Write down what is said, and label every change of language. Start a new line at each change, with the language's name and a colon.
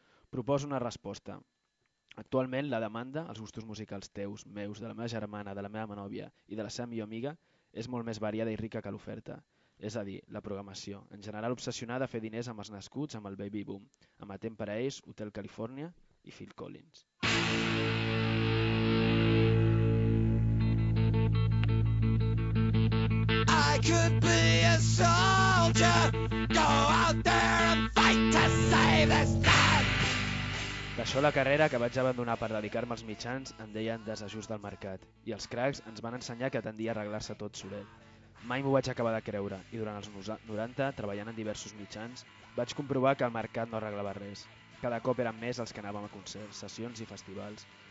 Catalan: Proposo una resposta. Actualment, la demanda, els gustos musicals teus, meus, de la meva germana, de la meva nòvia i de la seva millor amiga, és molt més variada i rica que l'oferta. És a dir, la programació. En general, obsessionada a fer diners amb els nascuts, amb el Baby Boom, amb Atent per a ells, Hotel California i Phil Collins.
English: I could be a soldier, go out there and fight to save this land.
Catalan: D'això la carrera que vaig abandonar per dedicar-me als mitjans en deien desajust del mercat, i els cracs ens van ensenyar que tendia a arreglar-se tot solet. Mai m'ho vaig acabar de creure, i durant els 90, treballant en diversos mitjans, vaig comprovar que el mercat no arreglava res. Cada cop eren més els que anàvem a concerts, sessions i festivals.